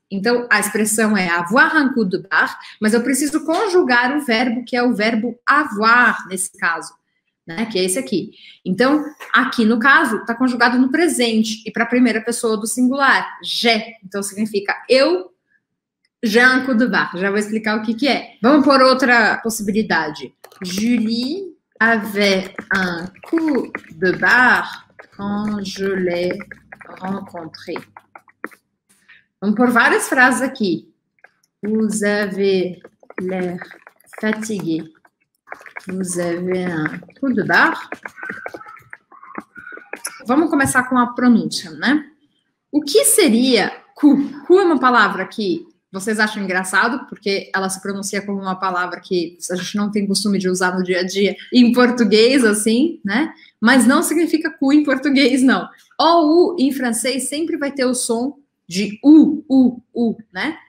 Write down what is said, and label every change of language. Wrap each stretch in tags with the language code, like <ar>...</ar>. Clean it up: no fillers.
<pt>Então, a expressão é</pt> <fr>avoir un coup de barre,</fr> <pt>mas eu preciso conjugar o verbo que é o verbo avoir, nesse caso, né? Que é esse aqui. Então, aqui no caso, está conjugado no presente e para a primeira pessoa do singular, j'ai. Então, significa eu,</pt> <fr>j'ai un coup de barre.</fr> <pt>Já vou explicar o que que é. Vamos por outra possibilidade.</pt> <fr>Julie avait un coup de barre quand je l'ai rencontré.</fr> <pt>Vamos por várias frases aqui.</pt> <fr>Vous avez l'air fatigué. Vous avez un coup de barre.</fr> <pt>Vamos começar com a pronúncia, né? O que seria coup? Coup é uma palavra que vocês acham engraçado, porque ela se pronuncia como uma palavra que a gente não tem costume de usar no dia a dia em português, assim, né? Mas não significa cu em português, não. O-U em francês sempre vai ter o som de U, né?</pt>